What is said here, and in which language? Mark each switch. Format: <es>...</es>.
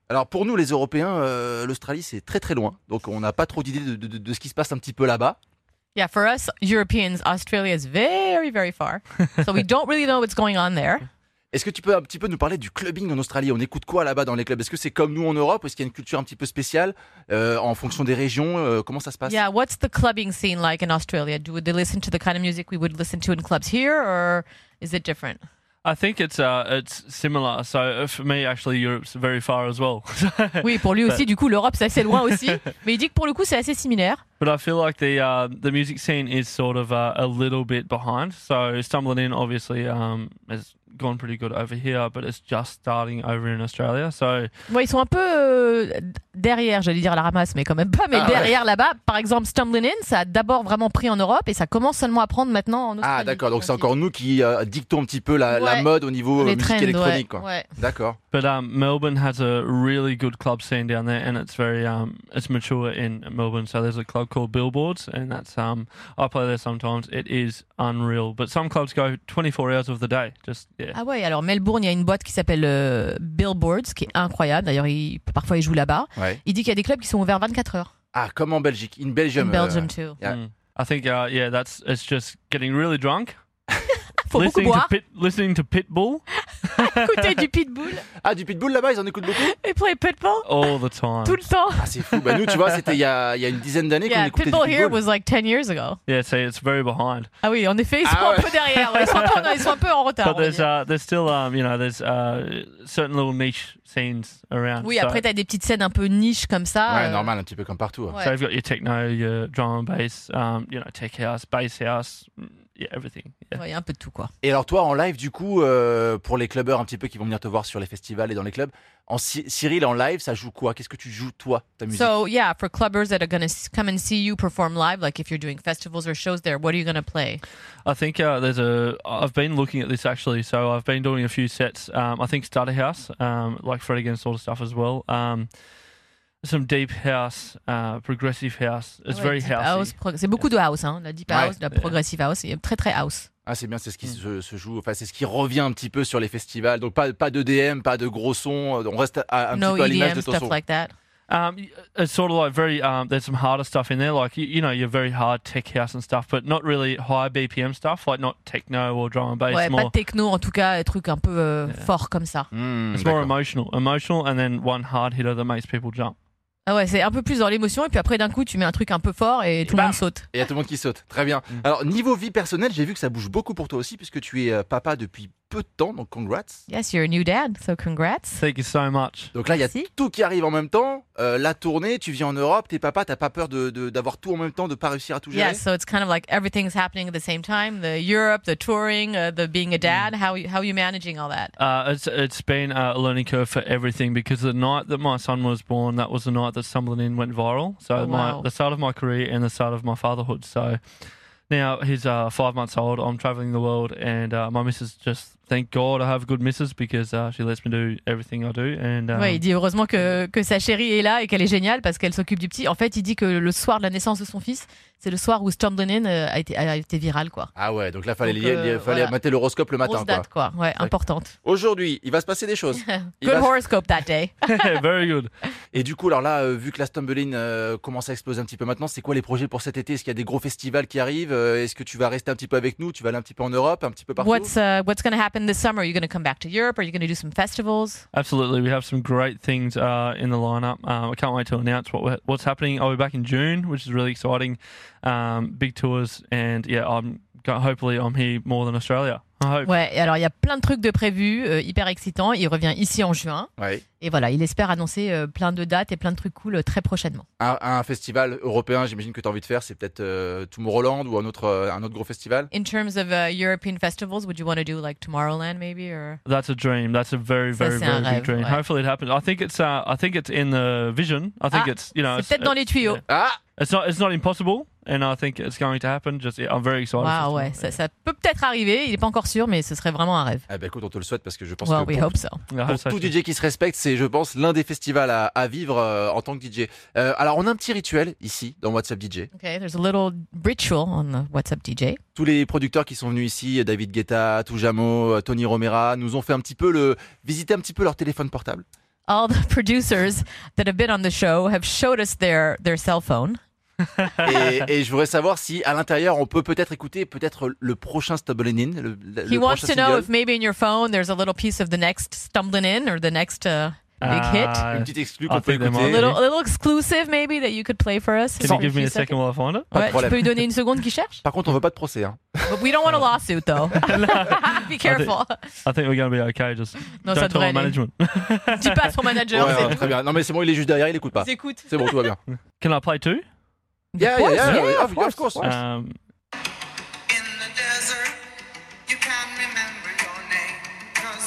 <fr>Alors, pour nous, les Européens, l'Australie, c'est très, très loin. Donc, on n'a pas trop d'idée de ce qui se passe un petit peu là-bas.</fr> <en>Yeah, for us, Europeans, Australia is very, very far. So, we don't really know what's going on there.</en> <fr>Est-ce que tu peux un petit peu nous parler du clubbing en Australie? On écoute quoi là-bas dans les clubs? Est-ce que c'est comme nous en Europe? Est-ce qu'il y a une culture un petit peu spéciale en fonction des régions? Comment ça se passe?</fr> <en>Yeah, what's the clubbing scene like in Australia? Do they listen to the kind of music we would listen to in clubs here, or is it different? I think it's similar. So for me, actually, Europe's very far as well.</en> <fr>Oui, pour lui aussi. Du coup, l'Europe, c'est assez loin aussi. Mais il dit que pour le coup, c'est assez similaire.</fr> <en>But I feel like the music scene is sort of a little bit behind. So Stumbling In, obviously, is gone pretty good over here, but it's just starting over in Australia. So,</en> <fr>ouais, ils sont un peu derrière, j'allais dire à la ramasse, mais quand même pas, mais derrière là-bas. Par exemple, Stumbling In, ça a d'abord vraiment pris en Europe et ça commence seulement à prendre maintenant en Australie. Ah, d'accord. Donc, c'est encore nous qui dictons un petit peu la, la mode au niveau musique trends, électronique. Ouais. Ouais. D'accord.</fr> <en>But Melbourne has a really good club scene down there, and it's very it's mature in Melbourne. So there's a club called Billboards, and that's I play there sometimes. It is unreal. But some clubs go 24 hours of the day. Just yeah.</en> <fr>Ah ouais. Alors Melbourne, il y a une boîte qui s'appelle Billboards, qui est incroyable. D'ailleurs, parfois ils jouent là-bas. Ouais. Il dit qu'il y a des clubs qui sont ouverts 24 heures. Ah, comme en Belgique,</fr> <en>in Belgium. In Belgium too. Yeah. I think yeah, that's it's just getting really drunk.</en> <fr>Faut</fr> <en>listening</en> <fr>beaucoup boire.</fr> <en>Listening to Pitbull.</en> <fr>Écouter du Pitbull. Ah, du Pitbull là-bas, ils en écoutent beaucoup. Ils</fr> <en>play</en> <fr>Pitbull.</fr> <en>All the time.</en> <fr>Tout le temps. Ah, c'est fou. Bah, nous, tu vois, c'était il y a une dizaine d'années qu'on écoutait Pitbull du Pitbull.</fr> <en>Pitbull here was like 10 years ago. Yeah, so it's very behind.</en> <fr>Ah oui, en effet, ils sont un peu derrière. Ouais, ils sont un peu en retard.</fr> <en>But there's still, you know, there's certain little niche scenes around.</en> <fr>Oui, après, t'as des petites scènes un peu niche comme ça. Ouais, normal, un petit peu comme partout. Ouais.</fr> <en>So you've got your techno, your drum and bass, you know, tech house, bass house. Yeah, everything. Yeah.</en> <fr>Ouais, un peu de tout, quoi. Et alors toi, en live, du coup, pour les clubbeurs un petit peu qui vont venir te voir sur les festivals et dans les clubs, en Cyril, en live, ça joue quoi? Qu'est-ce que tu joues, toi, ta musique?</fr> <en>So, yeah, for clubbers that are going to come and see you perform live, like if you're doing festivals or shows there, what are you going to play? I think I've been looking at this, actually. So I've been doing a few sets. I think Stutter House, like Fred Again sort of stuff as well. Some deep house, progressive house. It's very</en> <fr>deep house. C'est beaucoup de house, hein. La deep house, la progressive house. C'est très très house. Ah, c'est bien, c'est ce qui se joue. Enfin, c'est ce qui revient un petit peu sur les festivals. Donc pas d'EDM, pas de gros sons. On reste un petit peu à l'image de ton son.</fr> <en>No EDM stuff like that. It's sort of like very. There's some harder stuff in there, like you know, you're very hard tech house and stuff, but not really high BPM stuff, like not techno or drum and bass.</en> <fr>Ouais,</fr> <en>more</en> <fr>pas techno en tout cas, un truc un peu fort comme ça.</fr> <en>It's more emotional, and then one hard hitter that makes people jump.</en> <fr>Ah ouais, c'est un peu plus dans l'émotion et puis après d'un coup tu mets un truc un peu fort et tout le monde saute. Et il y a tout le monde qui saute, très bien. Alors niveau vie personnelle, j'ai vu que ça bouge beaucoup pour toi aussi puisque tu es papa depuis peu de temps, donc congrats.</fr> <en>Yes, you're a new dad, so congrats. Thank you so much.</en> <fr>Donc là, il y a tout qui arrive en même temps. La tournée, tu vis en Europe, t'es papa, t'as pas peur d'avoir tout en même temps, de pas réussir à tout gérer?</fr> <en>Yes, so it's kind of like everything's happening at the same time. The Europe, the touring, the being a dad. How are you managing all that? It's been a learning curve for everything because the night that my son was born, that was the night that Stumbling In went viral. So the start of my career and the start of my fatherhood. So now he's 5 months old. I'm traveling the world, and my missus just thank God I have a good missus because she lets me do everything I do. And</en> <fr>ouais, il dit heureusement que sa chérie est là et qu'elle est géniale parce qu'elle s'occupe du petit. En fait, il dit que le soir de la naissance de son fils, c'est le soir où Stumbling In a été viral, quoi. Ah ouais, donc là il fallait mater l'horoscope le matin. Grosse date, quoi. Ouais, importante. Aujourd'hui, il va se passer des choses.</fr> <en>Good horoscope that day. Very good.</en> <fr>Et du coup, alors là, vu que la Stumbling commence à exploser un petit peu maintenant, c'est quoi les projets pour cet été? Est-ce qu'il y a des gros festivals qui arrivent? Est-ce que tu vas rester un petit peu avec nous? Tu vas aller un petit peu en Europe, un petit peu partout?</fr> <en>What's going to happen this summer? Are you going to come back to Europe? Are you going to do some festivals? Absolutely. We have some great things in the lineup. I can't wait to announce what's happening. I'll be back in June, which is really exciting. Big tours, and yeah, hopefully I'm here more than Australia.</en> <fr>Ouais, alors il y a plein de trucs de prévus, hyper excitant. Il revient ici en juin. Ouais. Et voilà, il espère annoncer plein de dates et plein de trucs cool très prochainement. Un festival européen, j'imagine que tu as envie de faire, c'est peut-être Tomorrowland ou un autre gros festival.</fr> <en>In terms of European festivals, would you want to do like Tomorrowland maybe or? That's a dream. That's a very very very big dream.</en> <fr>Ouais.</fr> <en>Hopefully it happens. I think it's in the vision. I think it's, you know,</en> <fr>c'est peut-être dans les tuyaux.</fr> <en>Yeah. Ah. It's not impossible. And I think it's going to happen. I'm very excited.</en> <fr>Wow, ouais, ça peut peut-être arriver. Il est pas encore sûr, mais ce serait vraiment un rêve. Eh ben écoute, on te le souhaite parce que je pense que pour tout DJ qui se respecte, c'est, je pense, l'un des festivals à vivre en tant que DJ. Alors, on a un petit rituel ici dans WhatsApp DJ.</fr> <en>Okay, there's a little ritual on the WhatsApp DJ.</en> <fr>Tous les producteurs qui sont venus ici, David Guetta, Tujamo, Tony Romera, nous ont fait un petit peu visiter un petit peu leur téléphone portable.</fr> <en>All the producers that have been on the show have showed us their cell phone.</en> <fr>et je voudrais savoir si à l'intérieur on peut peut-être écouter peut-être le prochain Stumbling In.</fr> <en>He wants to know if maybe in your phone there's a little piece of the next Stumbling In or the next big hit.</en> <fr>Une petite exclue qu'on peut écouter.</fr> <en>A little exclusive maybe that you could play for us. Can you give me a second while I find it?</en> <fr>Ouais, tu peux lui donner une seconde qu'il cherche. Par contre, on veut pas de procès. Hein.</fr> <en>But we don't want a lawsuit though. Be careful. I think we're gonna be okay. Just</en> <fr>non,</fr> <en>don't tell our management.</en> <fr>Dis pas à son manager. Ouais, non, très bien. Non mais c'est bon, il est juste derrière, il écoute pas. J'écoute. C'est bon, tout va bien.</fr> <en>Can I play too? Yeah, of course. In the desert, you can't remember your name.</en>